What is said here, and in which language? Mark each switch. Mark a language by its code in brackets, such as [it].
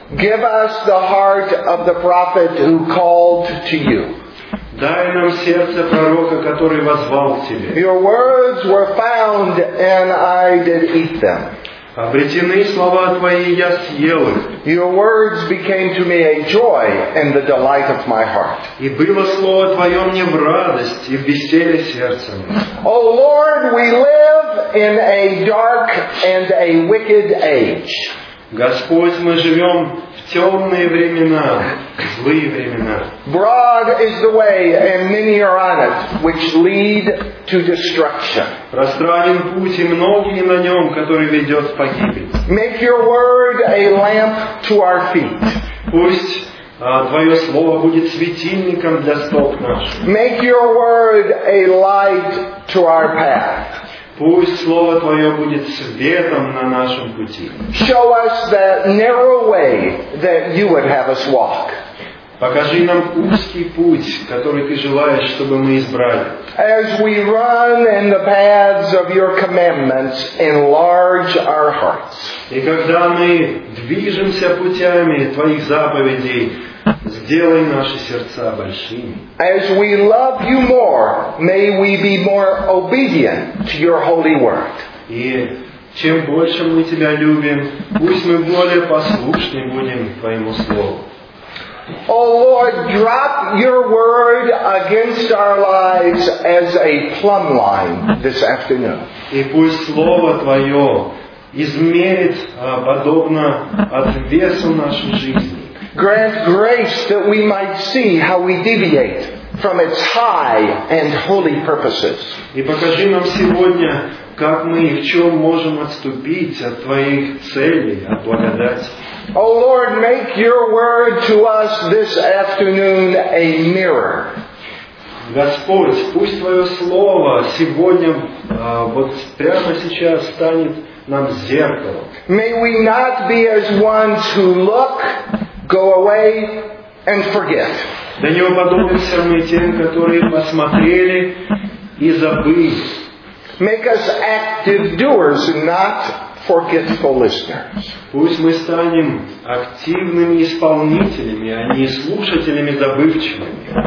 [en] Give us the heart of the prophet who called to you. [ru] Дай нам сердце пророка, который воззвал к тебе. [en] Your words were found and I did eat them. [ru] Обретены слова твои, я съел их. [en] Your words became to me a joy and the delight of my heart. [ru] И было слово твое мне в радость и в веселье сердца. [en] O Lord, we live in a dark and a wicked age. [ru] Господь, мы живем в темные времена, злые времена. [en] Broad is the way, and many are on it, which lead to destruction. [ru] Пространен путь, и многие на нем, который ведет в погибель. [en] Make your word a lamp to our feet. [ru] Пусть твое слово будет светильником для стоп наших. [en] Make your word a light to our path. [ru] Пусть слово твое будет светом на нашем пути. [en] Show us that narrow way that you would have us walk. [ru] Покажи нам узкий путь, который ты желаешь, чтобы мы избрали. [en] As we run in the paths of your commandments, enlarge our hearts. [ru] И когда мы движемся путями твоих заповедей, сделай наши сердца большими. [en] As we love you more, may we be more obedient to your holy word. [ru] И чем больше мы тебя любим, пусть мы более послушны будем твоему слову. [en] O Lord, drop your word against our lives as a plumb line this afternoon. [ru] И пусть слово твое измерит подобно отвесу нашей жизни. [en] Grant grace that we might see how we deviate from its high and holy purposes. [ru] И покажи нам сегодня, как мы и в чем можем отступить от твоих целей, от благодати. [en] O Lord, make your word to us this afternoon a mirror. [ru] Господь, пусть твое слово сегодня, вот прямо сейчас, станет нам зеркалом. [en] May we not be as ones who look, go away and forget. [ru] Да не уподобимся мы тем, которые посмотрели и забыть. [en] Make us active doers, not forgetful listeners. [ru] Пусть мы станем активными исполнителями, а не слушателями забывчивыми.